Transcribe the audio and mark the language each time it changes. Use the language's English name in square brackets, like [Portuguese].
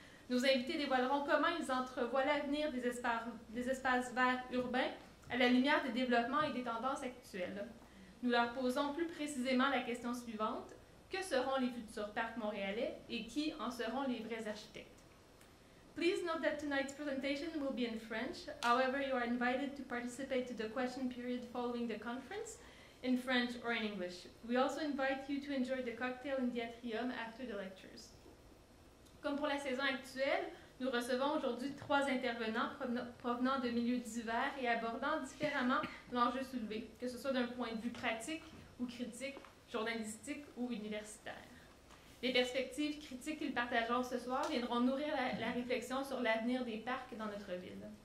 [French] Nos invités dévoileront comment ils entrevoient l'avenir des espaces verts urbains à la lumière des développements et des tendances actuelles. Nous leur posons plus précisément la question suivante: que seront les futurs parcs montréalais et qui en seront les vrais architectes? [English] Please note that tonight's presentation will be in French. However, you are invited to participate to the question period following the conference in French or in English. We also invite you to enjoy the cocktail in the atrium after the lectures. [French] Comme pour la saison actuelle, nous recevons aujourd'hui trois intervenants provenant de milieux divers et abordant différemment l'enjeu soulevé, que ce soit d'un point de vue pratique ou critique, journalistique ou universitaire. Les perspectives critiques qu'ils partageront ce soir viendront nourrir la réflexion sur l'avenir des parcs dans notre ville.